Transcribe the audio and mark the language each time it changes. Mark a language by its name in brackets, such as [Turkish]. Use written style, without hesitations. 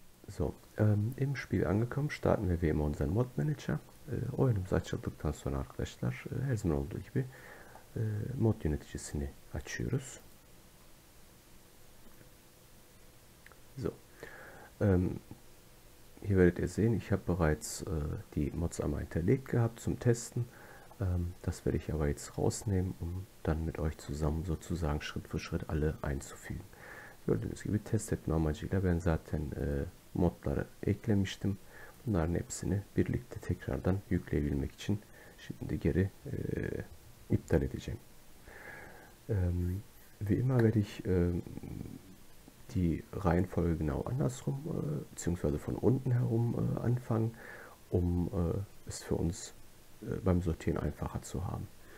[German] So, im Spiel angekommen, starten wir wie immer unseren Mod Manager. [Turkish] Oyunumuz açıldıktan sonra arkadaşlar her zaman olduğu gibi mod yöneticisini açıyoruz. [German] So, hier werdet ihr sehen, ich habe bereits die Mods einmal hinterlegt gehabt zum Testen. Das werde ich aber jetzt rausnehmen, um dann mit euch zusammen sozusagen Schritt für Schritt alle einzufügen. [Turkish] Gördüğünüz gibi test etme amacıyla ben zaten modları eklemiştim. Bunların hepsini birlikte tekrardan yükleyebilmek için şimdi geri iptal edeceğim. [German] Wie immer werde ich die Reihenfolge genau andersrum, beziehungsweise von unten herum anfangen, um es für uns beim Sortieren einfacher zu haben.